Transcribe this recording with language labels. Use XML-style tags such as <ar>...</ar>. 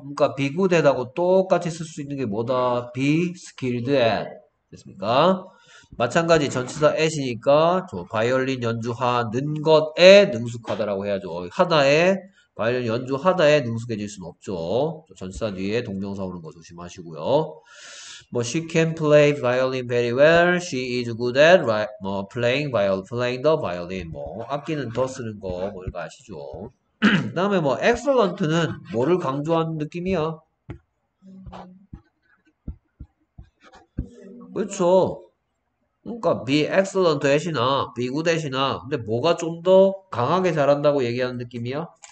<ko>그러니까 be good at하고 똑같이 쓸수 있는 게 뭐다? be skilled at. 됐습니까? 마찬가지 전치사 at이니까 저 바이올린 연주하는 것에 능숙하다라고 해야죠. 하다에 바이올린 연주하다에 능숙해질 수는 없죠. 전치사 뒤에 동명사 오는 거 조심하시고요.</ko> <en>뭐 she can play violin very well. She is good at 뭐 playing violin, playing the violin.</en> <ko>뭐 악기는 더 쓰는 거 뭐, 아시죠? 그다음에 뭐 excellent는 뭐를 강조하는 느낌이야? 그렇죠. 그러니까 be excellent 대신아, be good 대신아, 근데 뭐가 좀더 강하게 잘한다고 얘기하는 느낌이야?</ko>